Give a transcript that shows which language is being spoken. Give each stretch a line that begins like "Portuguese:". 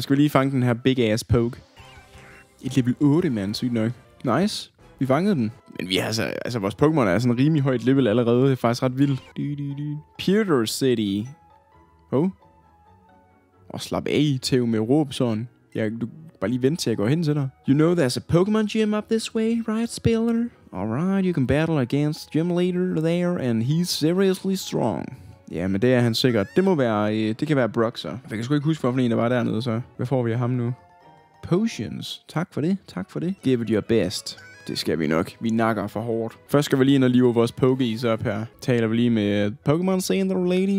Danish: Skal vi lige fange den her
English: big ass poke?
Danish: Et level 8, mand, sygt nok. Nice. Vi fangede den. Men vi er altså vores Pokémon er sådan rimelig højt level allerede. Det er faktisk ret vildt. Pewter City. Oh. Og slap af, Tæv med råb sådan. Ja, du... Bare lige vente til jeg går hen til dig.
English: You know there's a Pokemon gym up this way, right, Spiller? Alright, you can battle against gym leader there, and he's seriously strong.
Danish: Ja, men det er han sikkert. Det må være, det kan være Brock, så. Jeg kan sgu ikke huske, hvorfor en der var dernede, så. Hvad får vi af ham nu? Potions. Tak for det, tak for det.
English: Give it your best.
Danish: Det skal vi nok. Vi nakker for hårdt. Først skal vi lige ind og live vores Pokies op her. Taler vi lige med Pokemon Center Lady.